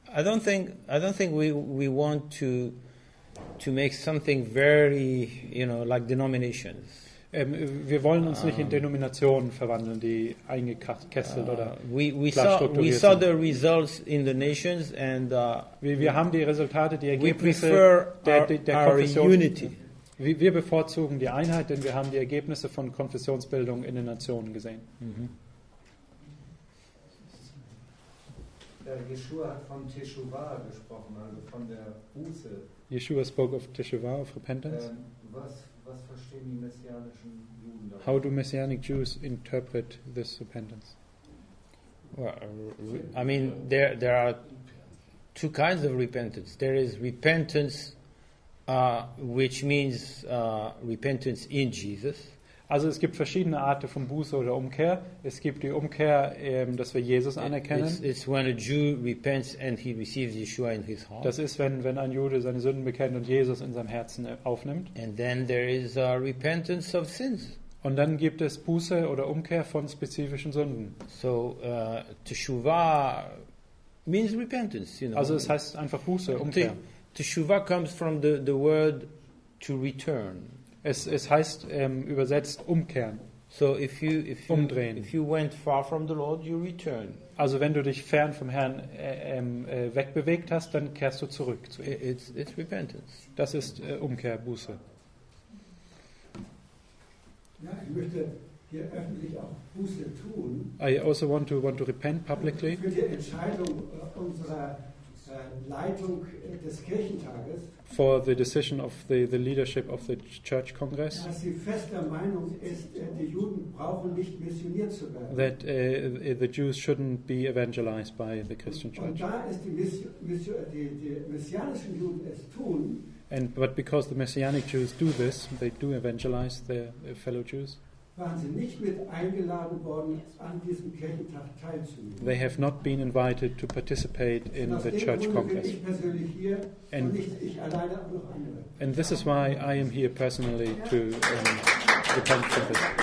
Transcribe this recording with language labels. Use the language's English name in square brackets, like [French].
[English] I don't think we want to make something very, you know, like denominations. [German] Wir wollen uns nicht in Denominationen verwandeln, die eingekesselt oder strukturiert sind. [English] The results in the nations and [German] wir haben die Resultate, die Ergebnisse der Konfessionen. Wir bevorzugen die Einheit, denn wir haben die Ergebnisse von Konfessionsbildung in den Nationen gesehen. Yeshua hat von Teshuvah gesprochen, also von der Buße. [English] Yeshua spoke of Teshuvah, of repentance. [German] Was verstehen die messianischen Juden davon? [English] How do messianic Jews interpret this repentance? Well, I mean, there are two kinds of repentance. There is repentance which means repentance in Jesus. [German] Also es gibt verschiedene Arten von Buße oder Umkehr. Es gibt die Umkehr, dass wir Jesus anerkennen. [English] It's when a Jew repents and he receives Yeshua in his heart. [German] Das ist, wenn ein Jude seine Sünden bekennt und Jesus in seinem Herzen aufnimmt. [English] And then there is a repentance of sins. [German] Und dann gibt es Buße oder Umkehr von spezifischen Sünden. [English] So Teshuvah means repentance, you know. [German] Also es heißt einfach Buße, Umkehr. [English] Teshuvah comes from the word to return. [German] Es heißt übersetzt umkehren. [English] So if you [German] umdrehen. [English] If you went far from the Lord, you return. [German] Also wenn du dich fern vom Herrn wegbewegt hast, dann kehrst du zurück zu ihm. [English] It's repentance. [German] Das ist Umkehr, Buße. Ja, ich möchte hier öffentlich auch Buße tun. [English] I also want to repent publicly. [German] Für die Entscheidung unserer Leitung des Kirchentages. [English] For the decision of the leadership of the church congress, [German] dass sie fest der Meinung ist, die Juden brauchen nicht missioniert zu werden. [English] That the Jews shouldn't be evangelized by the Christian church. [German] Und da ist die messianischen Juden es tun. [English] And but because the messianic Jews do this, they do evangelize their fellow Jews. [German] Waren sie nicht mit eingeladen worden, an diesem Kirchentag teilzunehmen? [English] They have not been invited to participate in the church congress. [German] Ich persönlich hier und nicht ich alleine, auch noch andere. [English] And this is why I am here personally to repent for this.